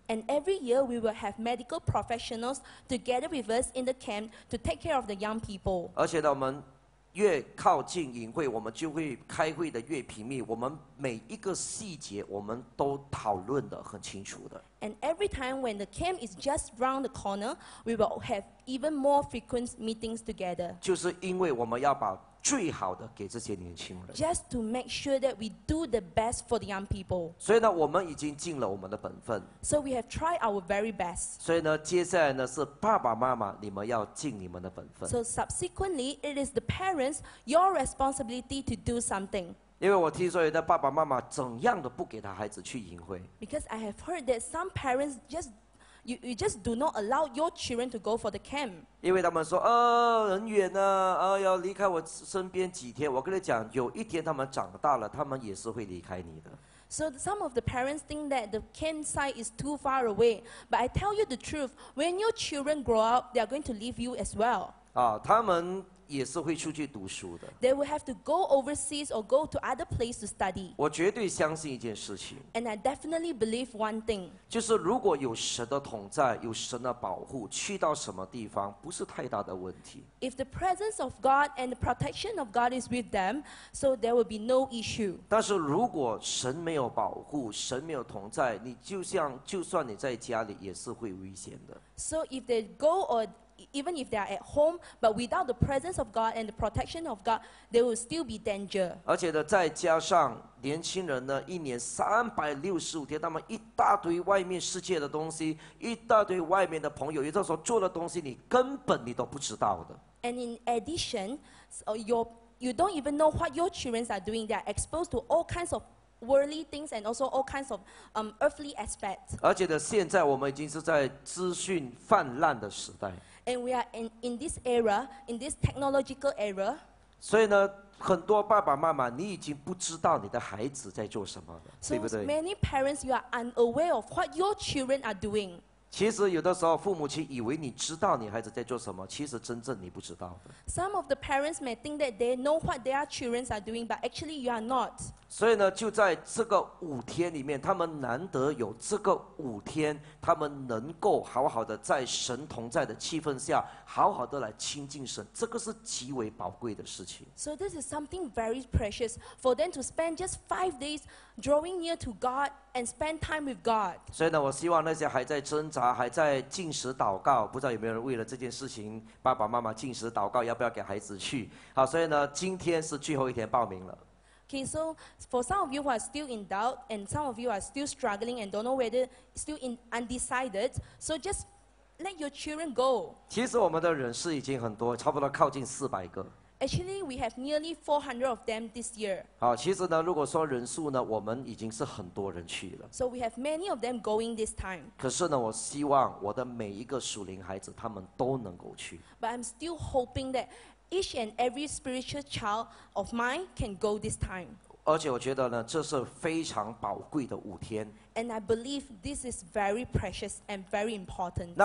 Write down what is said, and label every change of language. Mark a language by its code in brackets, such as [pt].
[en] And every year we will have medical professionals together with us in the camp to take care of the young people. [zh] 而且呢，我们越靠近营会，我们就会开会的越频密。我们每一个细节，我们都讨论的很清楚的。 [en] And every time when the camp is just round the corner, we will have even more frequent meetings together. [zh] 就是因为我们要把最好的给这些年轻人。 [en] Just to make sure that we do the best for the young people. [zh] 所以呢，我们已经尽了我们的本分。 [en] So we have tried our very best. [zh] 所以呢，接下来呢是爸爸妈妈，你们要尽你们的本分。 [en] So subsequently, it is the parents, your responsibility to do something. [zh] 因为我听说有的爸爸妈妈怎样都不给他孩子去营会。 [en] Because I have heard that some parents just you just do not allow your children to go for the camp. [zh] 因为他们说，很远啊，要离开我身边几天。我跟你讲，有一天他们长大了，他们也是会离开你的。 [en] So some of the parents think that the campsite is too far away. But I tell you the truth, when your children grow up, they are going to leave you as well. [zh] 他们也是会出去读书的。 [en] They will have to go overseas or go to other place to study. [zh] 我绝对相信一件事情。 [en] And I definitely believe one thing. [zh] 就是如果有神的同在，有神的保护，去到什么地方不是太大的问题。 [en] If the presence of God and the protection of God is with them, so there will be no issue. [zh] 但是如果神没有保护，神没有同在，你就算你在家里也是会危险的。 [en] So if they go or even if they are at home, but without the presence of God and the protection of God, there will still be danger. [zh] 而且呢，再加上年轻人呢，一年365天，他们一大堆外面世界的东西，一大堆外面的朋友，也就是说做的东西，你根本你都不知道的。 [en] And in addition, so you don't even know what your children are doing. They are exposed to all kinds of worldly things and also all kinds of earthly aspects. [zh] 而且呢，现在我们已经是在资讯泛滥的时代。 [en] And we are in this era, in this technological era. [zh] 所以呢，很多爸爸妈妈，你已经不知道你的孩子在做什么了，对不对？ [en] So many parents, you are unaware of what your children are doing. [zh] 其实有的时候，父母亲以为你知道你孩子在做什么，其实真正你不知道的。 [en] Some of the parents may think that they know what their children are doing, but actually you are not. [zh] 所以呢，就在这个五天里面，他们难得有这个五天，他们能够好好的在神同在的气氛下，好好的来亲近神，这个是极为宝贵的事情。 [en] So this is something very precious for them to spend just 5 days drawing near to God and spend time with God. [zh] 所以呢，我希望那些还在挣扎、还在禁食祷告，不知道有没有人为了这件事情，爸爸妈妈禁食祷告，要不要给孩子去？好，所以呢，今天是最后一天报名了。 [en] Okay, so for some of you who are still in doubt and some of you are still struggling and don't know whether still in undecided, so just let your children go. [zh] 其实我们的人士已经很多，差不多靠近400个。 [en] Actually, we have nearly 400 of them this year. [zh] 好，其实呢，如果说人数呢，我们已经是很多人去了。 [en] So we have many of them going this time. [zh] 可是呢，我希望我的每一个属灵孩子，他们都能够去。 [en] But I'm still hoping that each and every spiritual child of mine can go this time. [zh] 而且我觉得呢，这是非常宝贵的五天。 [en] And I believe this is very precious and very important.